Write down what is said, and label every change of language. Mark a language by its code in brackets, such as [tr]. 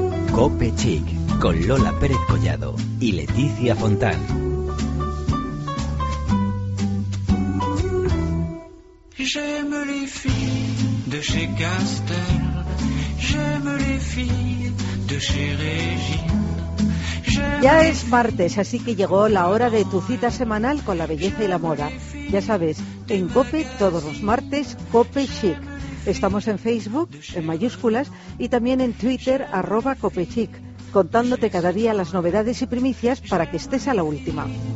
[es] Cope Chic con Lola Pérez Collado y Leticia Fontán. [fr] J'aime les filles de chez Castel, j'aime les filles de chez Régine. [es] Ya es martes, así que llegó la hora de tu cita semanal con la belleza y la moda. Ya sabes, en COPE, todos los martes, COPE Chic. Estamos en Facebook, en mayúsculas, y también en Twitter, @ COPE Chic, contándote cada día las novedades y primicias para que estés a la última.